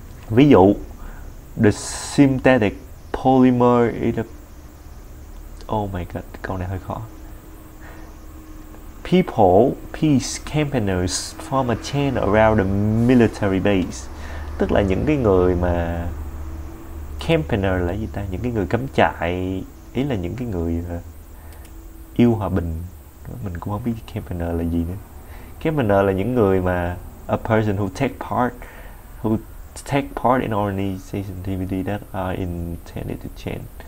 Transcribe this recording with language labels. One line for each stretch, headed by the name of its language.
Vietnamese: Ví dụ
English: the synthetic polymer is a, oh my god,
Vietnamese: câu này hơi khó.
English: people, peace campaigners form a chain around a military base.
Vietnamese: Tức là những cái người mà campaigner là gì ta? Những cái người cắm trại, ý là những cái người yêu hòa bình. Mình cũng không biết campaigner là gì nữa.
English: Campaigner
Vietnamese: là những người mà
English: a person who take part in organization activity that are intended to change.